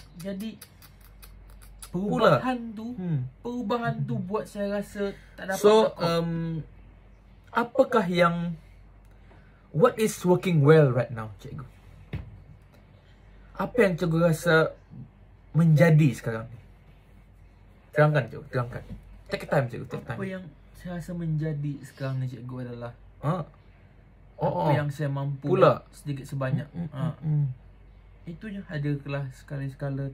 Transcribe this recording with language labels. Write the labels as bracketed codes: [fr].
[ms] Jadi perubahan tu, perubahan tu buat saya rasa tak dapat. So apakah yang, [en] what is working well right now cikgu? [ms] Apa yang cikgu rasa menjadi sekarang? Terangkan cikgu, terangkan. [en] Take time cikgu, take time. [ms] Apa yang saya rasa menjadi sekarang ni cikgu adalah apa yang saya mampu pula sedikit sebanyak. Itu je, ada kelas sekali-sekala.